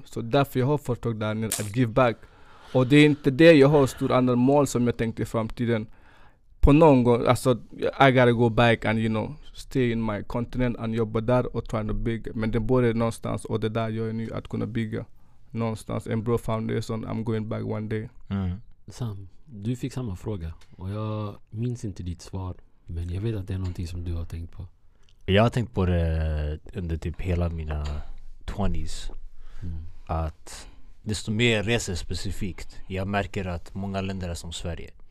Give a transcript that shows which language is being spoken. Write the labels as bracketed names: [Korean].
[Swedish] Så därför jag har företag där nere att [English] give back. [Swedish] Och det är inte det jag har stora andra mål som jag tänkte i framtiden. på någon gång, alltså, [English] I gotta go back and, you know, stay in my continent and [Swedish] jobba där och [English] try to [Swedish] bygga. Men det började någonstans och det där gör jag nu att kunna bygga någonstans. En bra [English] foundation, I'm going back one day. Mm. [Swedish] Sam, du fick samma fråga och jag minns inte ditt svar, men jag vet att det är någonting som du har tänkt på. Jag har tänkt på det under typ hela mina 20s. Mm. Att desto mer jag reser specifikt, jag märker att många länder är som Sverige.